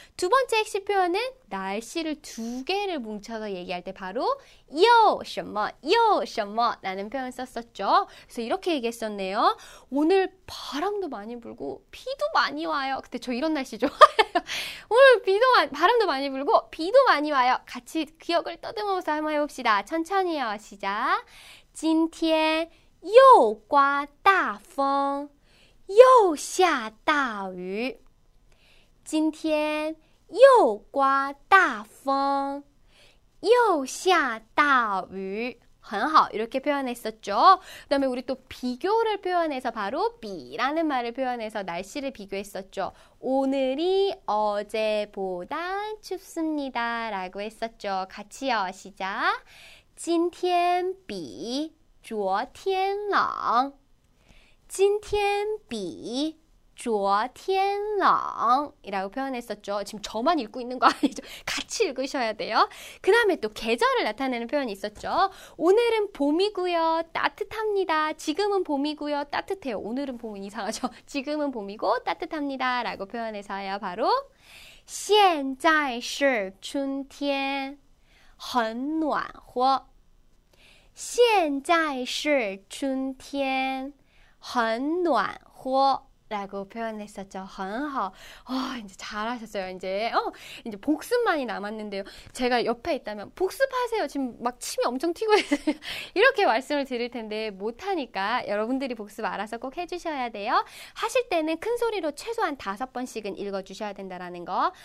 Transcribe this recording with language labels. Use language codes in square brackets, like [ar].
[ko] 두 번째 핵심 표현은 날씨를 두 개를 뭉쳐서 얘기할 때 바로 요 什么 라는 표현을 썼었죠. 그래서 이렇게 얘기했었네요. 오늘 바람도 많이 불고 비도 많이 와요. 근데 저 이런 날씨 좋아해요. 오늘 바람도 많이 불고 비도 많이 와요. 같이 기억을 떠듬어서 한번 해봅시다. 천천히요. 시작. [zh] 今天又刮大风又下大雨. 今天又刮大风又下大雨. 很好 [ko] 이렇게 표현했었죠. 그 다음에 우리 또 비교를 표현해서 바로 비라는 말을 표현해서 날씨를 비교했었죠. 오늘이 어제보다 춥습니다 라고 했었죠. 같이요. 시작. [zh] 今天比昨天冷今天比昨天冷 [ko] 이라고 표현했었죠. 지금 저만 읽고 있는 거 아니죠? 같이 읽으셔야 돼요. 그 다음에 또 계절을 나타내는 표현이 있었죠. 오늘은 봄이고요. 따뜻합니다. 지금은 봄이고요. 따뜻해요. 오늘은 봄은 이상하죠. 지금은 봄이고 따뜻합니다. 라고 표현해서요. 바로 [zh] 现在是春天很暖和现在是春天很暖和 [ko] 라고 표현했었죠. [zh] 很好. [ko] 어, 이제 잘하셨어요. 이제 어, 이제 복습만이 남았는데요. 제가 옆에 있다면 복습하세요. 지금 막 침이 엄청 튀고 있어요. 이렇게 말씀을 드릴 텐데 못하니까 여러분들이 복습 알아서 꼭 해주셔야 돼요. 하실 때는 큰 소리로 최소한 다섯 번씩은 읽어주셔야 된다라는 거.